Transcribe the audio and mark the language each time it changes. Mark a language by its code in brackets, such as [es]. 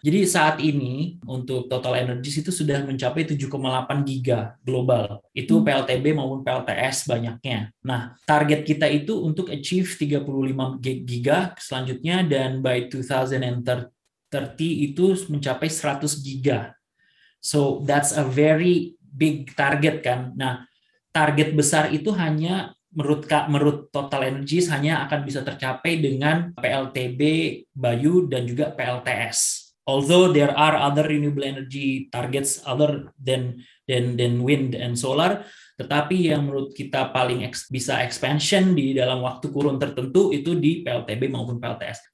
[id] Jadi saat ini untuk Total Energies itu sudah mencapai 7,8 giga global. Itu PLTB maupun PLTS banyaknya. Nah, target kita itu untuk achieve 35 giga selanjutnya, dan by 2030 itu mencapai 100 giga. [en] So that's a very big target kan. [id] Nah, target besar itu hanya menurut Total Energies hanya akan bisa tercapai dengan PLTB, Bayu, dan juga PLTS. [en] Although there are other renewable energy targets other than wind and solar, [id] tetapi yang menurut kita paling bisa expansion di dalam waktu kurun tertentu itu di PLTB maupun PLTS.